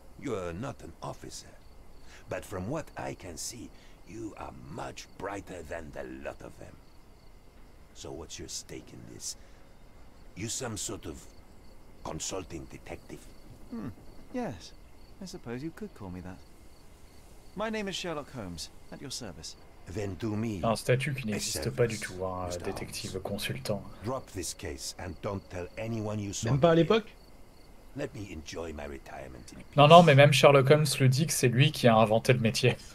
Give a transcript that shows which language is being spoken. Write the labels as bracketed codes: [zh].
[en] You're not an officer. But from what I can see, you are much brighter than the lot of them. So what's your stake in this? You some sort of consulting detective? Yes. I suppose you could call me that. My name is Sherlock Holmes, at your service. Then do me a service. [fr] Un statut qui n'existe pas du tout, un détective consultant. [en] Drop this case and don't tell anyone you saw. [fr] Même pas à l'époque? [en] Let me enjoy my retirement in peace. [fr] Non, non, mais même Sherlock Holmes le dit que c'est lui qui a inventé le métier.